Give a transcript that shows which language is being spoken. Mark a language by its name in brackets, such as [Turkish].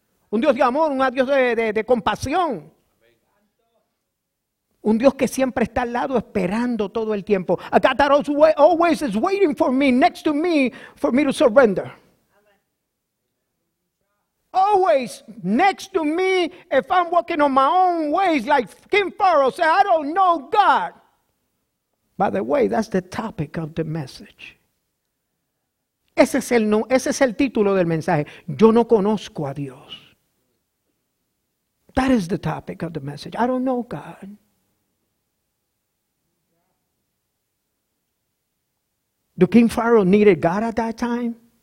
[Spanish] Un Dios de amor, un Dios de compasión. Un Dios que siempre está al lado esperando todo el tiempo. [English] A God that always is waiting for me, next to me, for me to surrender. Always next to me, if I'm walking on my own ways, like King Pharaoh said, I don't know God. By the way, that's the topic of the message. [Spanish] Ese es el título del mensaje. Yo no conozco a Dios. [English] That is the topic of the message. I don't know God. Do King Pharaoh needed God at that time?